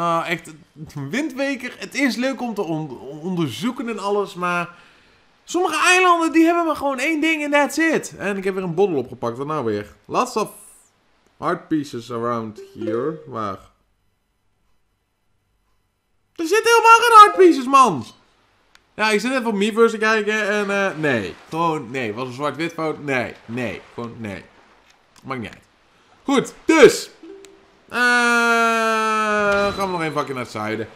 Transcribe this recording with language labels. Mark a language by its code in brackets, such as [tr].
[nl] Echt, Windweker, het is leuk om te onderzoeken en alles, maar sommige eilanden die hebben maar gewoon één ding en [en] that's it. [nl] En ik heb weer een bottle opgepakt, daarna weer. [en] Lots of hard pieces around here. [nl] Waar? Er zit helemaal geen hard pieces, man! Ja, ik zit even op Miiverse te kijken en nee. Gewoon nee. Was een zwart-wit fout? Nee. Nee. Gewoon nee. Maakt niet uit. Goed, dus! Gaan we nog een vakje naar het zuiden.